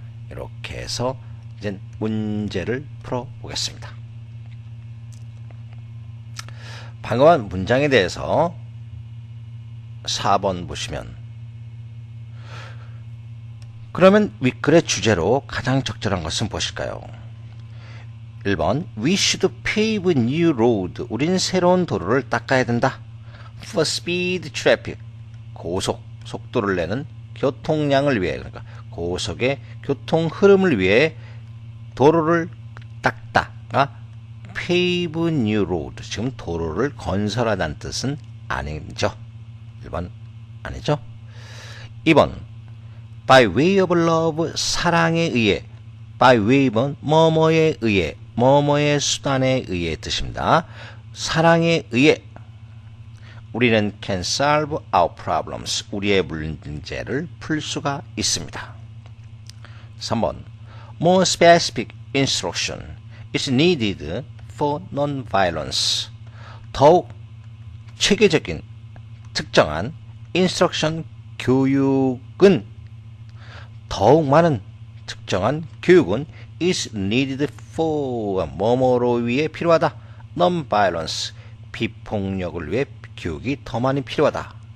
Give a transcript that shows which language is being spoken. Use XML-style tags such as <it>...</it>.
<ko>이렇게 해서 이제 문제를 풀어보겠습니다. 방금한 문장에 대해서 4번 보시면. 그러면 윗글의 주제로 가장 적절한 것은 무엇일까요?</ko> <en>1번, We should pave a new road.</en> <ko>우린 새로운 도로를 닦아야 된다.</ko> <en>For speed traffic,</en> <ko>고속, 속도를 내는 교통량을 위해, 그러니까 고속의 교통 흐름을 위해 도로를 닦다가</ko> <en>pave a new road,</en> <ko>지금 도로를 건설하다는 뜻은 아니죠. 1번, 아니죠.</ko> <en>2번, By way of love, 사랑에 의해.</en> <ko>By way는 뭐뭐에 의해, 뭐뭐의 수단에 의해 뜻입니다. 사랑에 의해. 우리는</ko> <en>can solve our problems.</en> <ko>우리의 문제를 풀 수가 있습니다. 3번.</ko> <en>More specific instruction is needed for non-violence.</en> <ko>더욱 체계적인, 특정한 instruction 교육은 더욱 많은 특정한 교육은</ko> <en>is needed for</en> <ko>뭐뭐로 위해 필요하다. Non-violence 비폭력을 위해 교육이 더 많이 필요하다.</ko>